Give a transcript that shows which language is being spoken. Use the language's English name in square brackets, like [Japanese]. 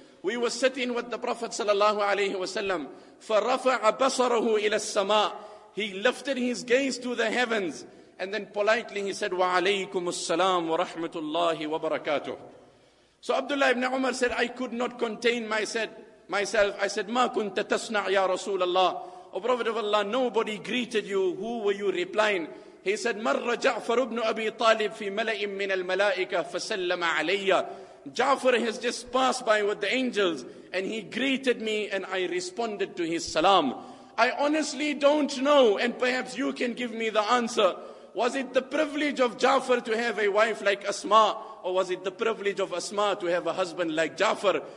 [English] We were sitting with the Prophet صلى الله عليه وسلم. [Arabic] فَرَفَعَ بَصَرَهُ إِلَى السَّمَاءِ. [English] He lifted his gaze to the heavens and then politely he said, [Arabic] وَعَلَيْكُمُ السَّلَامُ وَرَحْمَةُ اللَّهِ وَبَرَكَاتُهُ. [English] So Abdullah ibn Umar said, I could not contain myself. I said, [Arabic] مَا كُنْتَ تَصْنَعْ يَا رَسُولَ اللَّهِ. [English] O Prophet of Allah, nobody greeted you. Who were you replying? He said, [Arabic] مَرَّ جَعْفَرُ ابْنُ أَبِي طَالِبْ فِي مَلَئٍ مِّنَ الْمَلَائِكَةِ فَسَلَّمَ عَلَيَّ. [English] Ja'far has just passed by with the angels and he greeted me and I responded to his salam. I honestly don't know, and perhaps you can give me the answer. Was it the privilege of Ja'far to have a wife like Asma, or was it the privilege of Asma to have a husband like Ja'far?